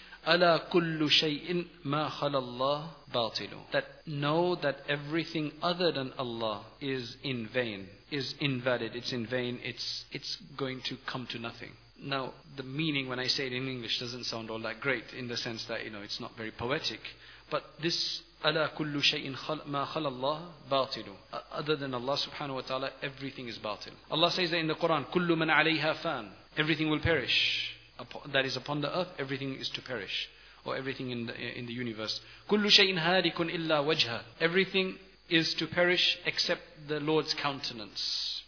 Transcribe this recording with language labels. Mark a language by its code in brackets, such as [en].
[ar] أَلَا كُلُّ شَيْءٍ مَا خَلَى اللَّهِ بَاطِلُ. [en] That know that everything other than Allah is in vain, is invalid, it's in vain, it's going to come to nothing. Now, the meaning when I say it in English doesn't sound all that great in the sense that, you know, it's not very poetic. But this, [ar] أَلَا كُلُّ شَيْءٍ مَا خَلَى اللَّهِ بَاطِلُ. [en] Other than Allah subhanahu wa ta'ala, everything is batil. Allah says that in the Quran, [ar] كُلُّ مَنْ عَلَيْهَا فَان. [en] Everything will perish. That is upon the earth, everything is to perish, or everything in the universe. [ar] كُلُّ شَيْءٍ هَارِكٌ إِلَّا وَجْهَهُ. [en] Everything is to perish except the Lord's countenance.